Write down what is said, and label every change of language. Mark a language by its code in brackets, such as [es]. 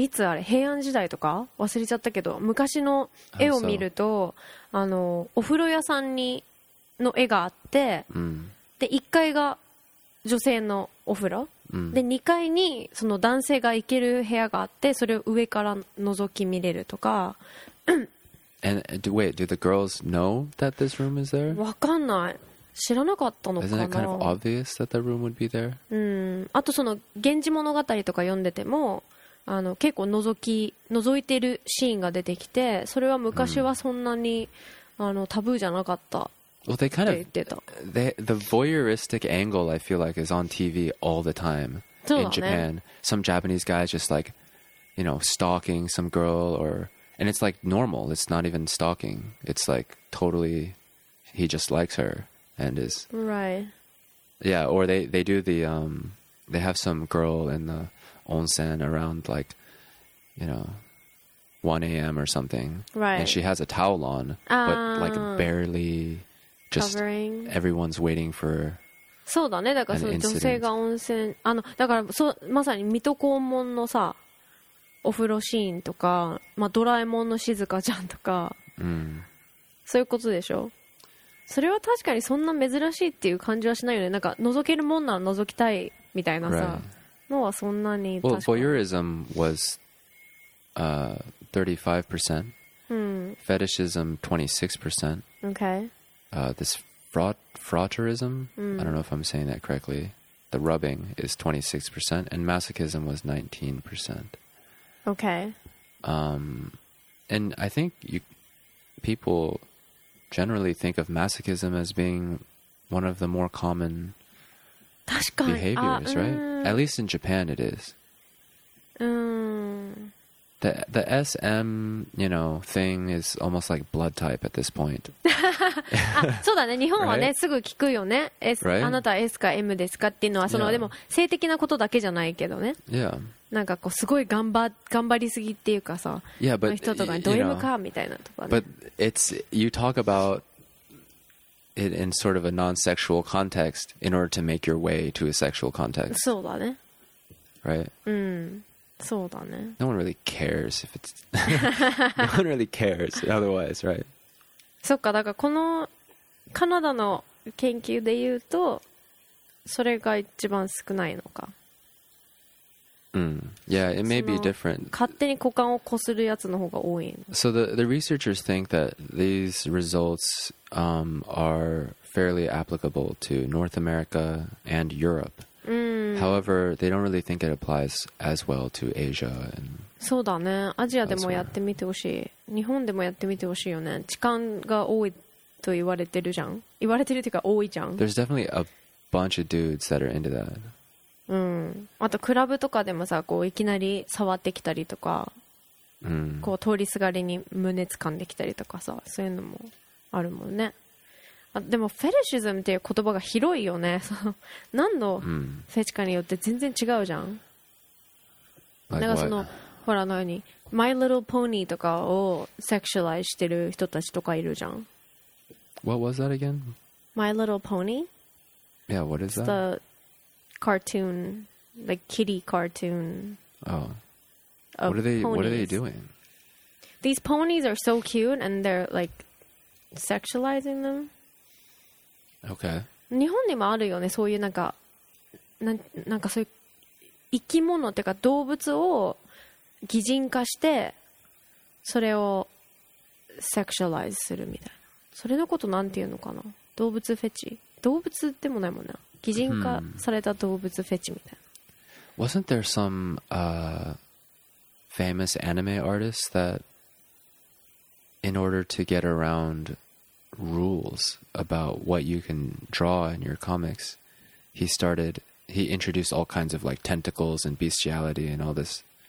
[ja] いつあれ平安時代とか忘れちゃったけど昔の絵を見るとあのお風呂屋さんにの絵があって、うん、で1階が女性のお風呂、うん、で2階にその男性が行ける部屋があってそれを上から覗き見れるとか [en] And, wait, do the girls know that this room is there? [ja] わかんない知らなかったのかな [en] Isn't it kind of obvious that the room would be there? [ja] うんあとその源氏物語とか読んでてもあの結構覗いてるシーンが出てきてそれは昔はそんなに、mm. あのタブーじゃなかったって言ってた [en] well, they kind of, the voyeuristic angle I feel like is on TV all the time in Japan、 [ja] ね、 [en] some Japanese guys just like you know stalking some girl or and it's like normal it's not even stalking it's like totally he just likes her and is right yeah or they do the they have some girl in theonsen around like you know 1 a.m. or something right and she has a towel on but like barely just covering everyone's waiting for [ja] そうだねだからその女性が温泉あのだからそまさに水戸黄門のさお風呂シーンとかまあドラえもんの静香ちゃんとか、うん、そういうことでしょそれは確かにそんな珍しいっていう感じはしないよねなんか覗けるもんなら覗きたいみたいなさ、 [en] right. [ja] のはそんなに [en] well, voyeurism was 35%、 mm. fetishism 26%、 okay. This frauterism、mm. I don't know if I'm saying that correctly the rubbing is 26% and masochism was 19% okay、 and I think people generally think of masochism as being one of the more common behaviors right? At least in Japan, it is. The SM, you know, thing is almost like blood type at this point. [ja] あ、そうだね。日本はね、 [en] right? [ja] すぐ聞くよね。S、 [en] right? [ja] あなたは S か M ですかっていうのは、その、 [en] yeah. [ja] でも性的なことだけじゃないけどね。 [en] Yeah. [ja] なんかこう、すごい頑張りすぎっていうかさ、 [en] yeah, but, [ja] の人とかにド M かみたいなとかね。 [en] But it's, you talk about it in sort of a non-sexual context in order to make your way to a sexual context. [ja] そうだね。 [en] Right? [ja] うん。そうだね。 [en] No one really cares if it's... no one really cares otherwise, right? [ja] そっか、だからこのカナダの研究で言うとそれが一番少ないのか。 [en] うん。Yeah, it may be different. [ja] 勝手に股間をこするやつの方が多い。 [en] So the researchers think that these results... are fairly applicable to North America and Europe.、 [ja] うん、 [en] However, they don't really think it applies as well to Asia. And [ja] そうだね。アジアでもやってみてほしい。日本でもやってみてほしいよね。痴漢が多いと言われてるじゃん。言われてるというか多いじゃん。 [en] There's definitely a bunch of dudes that are into that. [ja] うん。あとクラブとかでもさ、こういきなり触ってきたりとか、うん、こう通りすがりに胸つかんできたりとかさ、そういうのも。あるもんね。あ、でもフェティシズムっていう言葉が広いよね。その何のフェチかによって全然違うじゃん。 [en] Like、 [ja] なんかその、 [en] what? [ja] ほらのように、My Little Pony とかをセクシュアライズしてる人たちとかいるじゃん。 [en] What was that again? My Little Pony? Yeah, what is that? It's the cartoon, like kitty cartoon. Oh. of ponies. What are they doing? These ponies are so cute, and they're like sexualizing them. Okay. [ja] 日本にもあるよね。そういうなんか、なんかそういう生き物っていうか動物を擬人化して、それをセクシュアライズするみたいな。それのことなんていうのかな。動物フェチ。動物でもないもんね。擬人化された動物フェチみたいな。 [en] Wasn't there some famous anime artist that, in order to get around rules about what you can draw in your comics, he introduced all kinds of like tentacles and bestiality and all this.